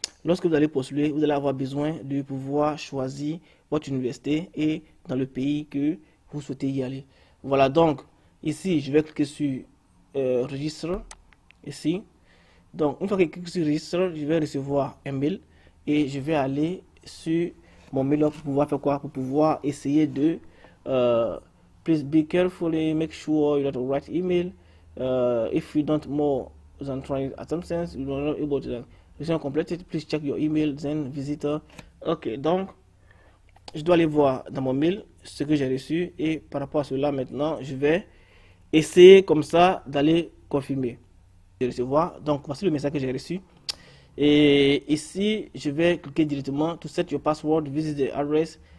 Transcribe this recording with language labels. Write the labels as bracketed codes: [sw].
[fr] Lorsque vous allez postuler, vous allez avoir besoin de pouvoir choisir votre université et dans le pays que vous souhaitez y aller. Voilà donc, ici, je vais cliquer sur Registre. Ici. Donc, une fois que je clique sur Registre, je vais recevoir un mail et je vais aller sur mon mail pour pouvoir faire quoi? Pour pouvoir essayer de. [en] Please be careful, make sure you have the right email. If you don't more than 20 attempts, you are not able to. Complété, please check your email, then visit. [fr] Ok, donc je dois aller voir dans mon mail ce que j'ai reçu et par rapport à cela, maintenant je vais essayer comme ça d'aller confirmer de recevoir. Donc voici le message que j'ai reçu et ici je vais cliquer directement [en] to set your password, visit the address.